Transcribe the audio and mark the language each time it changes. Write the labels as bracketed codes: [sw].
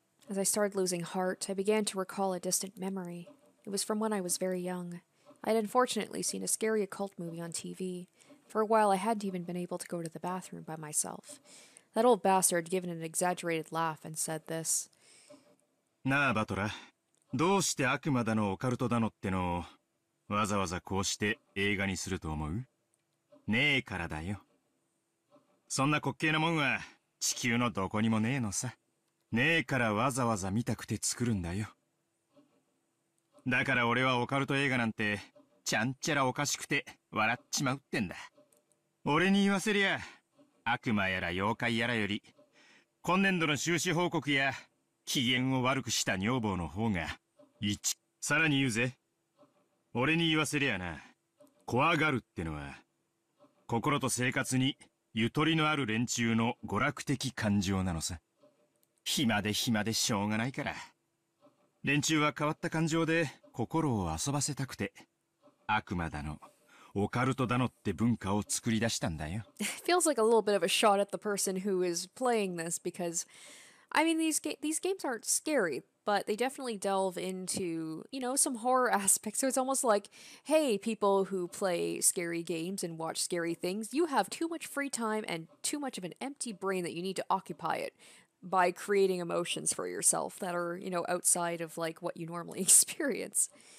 [en] As I started losing heart, I began to recall a distant memory. It was from when I was very young. I had unfortunately seen a scary occult movie on TV. For a while, I hadn't even been able to go to the bathroom by myself. That old bastard had given an exaggerated laugh and said this. [ja] Na, Batora. どうして悪魔だのオカルトだのってのをわざわざこうして映画にすると思う？ねえからだよ。そんな滑稽なもんは地球のどこにもねえのさ。ねえからわざわざ見たくて作るんだよ。だから俺はオカルト映画なんてちゃんちゃらおかしくて笑っちまうってんだ。俺に言わせりゃ悪魔やら妖怪やらより今年度の収支報告や機嫌を悪くした女房の方が一さらに言うぜ俺に言わせりゃな怖がるってのは心と生活にゆとりのある連中の娯楽的感情なのさ暇で暇でしょうがないから連中は変わった感情で心を遊ばせたくて悪魔だのオカルトだのって文化を作り出したんだよ。 [en] It feels like a little bit of a shot at the person who is playing this because, I mean, these games aren't scary, but they definitely delve into, you know, some horror aspects. So it's almost like, hey, people who play scary games and watch scary things, you have too much free time and too much of an empty brain that you need to occupy it by creating emotions for yourself that are, you know, outside of like what you normally experience.